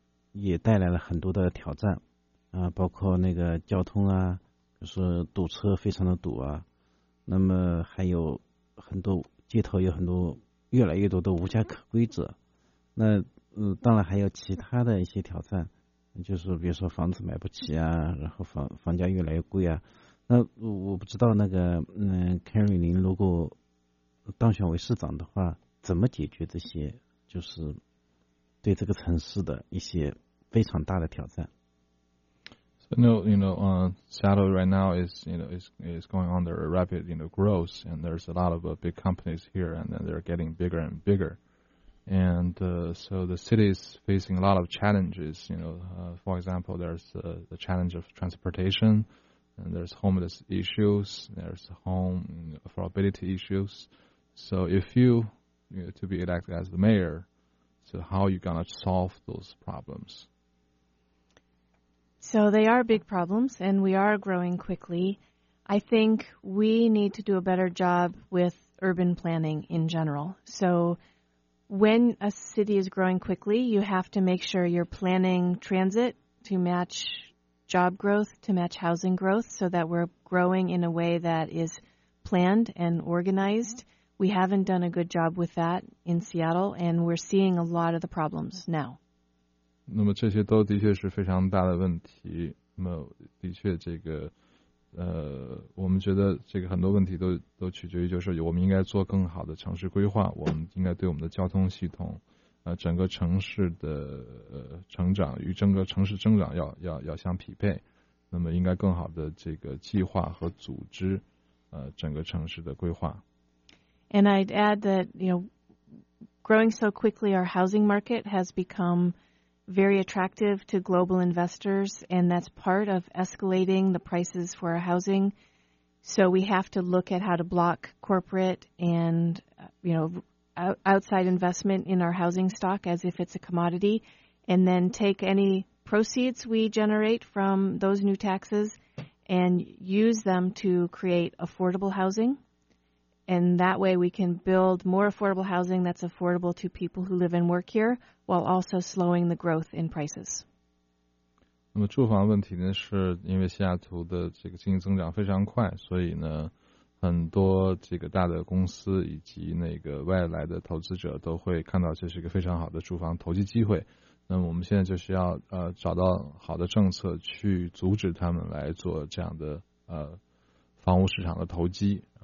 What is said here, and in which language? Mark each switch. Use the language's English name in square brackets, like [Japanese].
[Chinese] 也带来了很多的挑战包括那个交通啊，就是堵车非常的堵啊，那么还有很多街头有很多越来越多的无家可归者，那当然还有其他的一些挑战，就是比如说房子买不起啊，然后房价越来越贵啊。那我不知道那个Carrie 您如果当选为市长的话，怎么解决这些就是对这个城市的一些非常大的挑战。 [English] So Seattle right now is going under a rapid growth, and there's a lot of big companies here, and they're getting bigger and bigger. And so the city is facing a lot of challenges, for example, there's the challenge of transportation, and there's homeless issues, there's home affordability issues. So if you to be elected as the mayor, so how are you going to solve those problems? So they are big problems, and we are growing quickly. I think we need to do a better job with urban planning in general. So when a city is growing quickly, you have to make sure you're planning transit to match job growth, to match housing growth, so that we're growing in a way that is planned and organized. We haven't done a good job with that in Seattle, and we're seeing a lot of the problems now. [Chinese] 那么这些都的确是非常大的问题。那么的确这个我们觉得这个很多问题都取决于，就是我们应该做更好的城市规划，我们应该对我们的交通系统整个城市的成长与整个城市增长要相匹配，那么应该更好的这个计划和组织整个城市的规划。 [English] And I'd add that, you know, growing so quickly, our housing market has become very attractive to global investors, and that's part of escalating the prices for our housing. So we have to look at how to block corporate and, you know, outside investment in our housing stock as if it's a commodity, and then take any proceeds we generate from those new taxes and use them to create affordable housing. And that way we can build more affordable housing that's affordable to people who live and work here, while also slowing the growth in prices. [Chinese] 那么住房问题呢，是因为西雅图的这个经济增长非常快，所以呢，很多这个大的公司以及那个外来的投资者都会看到这是一个非常好的住房投机机会。那么我们现在就是要找到好的政策去阻止他们来做这样的房屋市场的投机。